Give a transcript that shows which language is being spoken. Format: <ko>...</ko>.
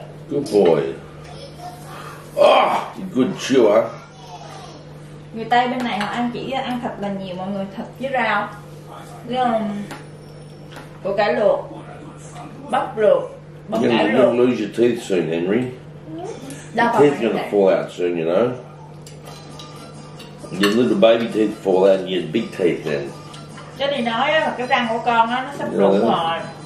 <en>Good boy. Oh, good chewer.</en> <vi>Người Tây bên này họ ăn chỉ ăn thịt là nhiều, mọi người, thịt với rau, với củ cải luộc, bắp luộc, bắp cải luộc.</vi> <en>You're gonna lose your teeth soon, Henry. Your teeth are gonna fall out soon, you know. Your little baby teeth fall out and your big teeth then.</en> <vi>Cho thì nói á, cái răng của con á, nó sắp rụng rồi.</vi>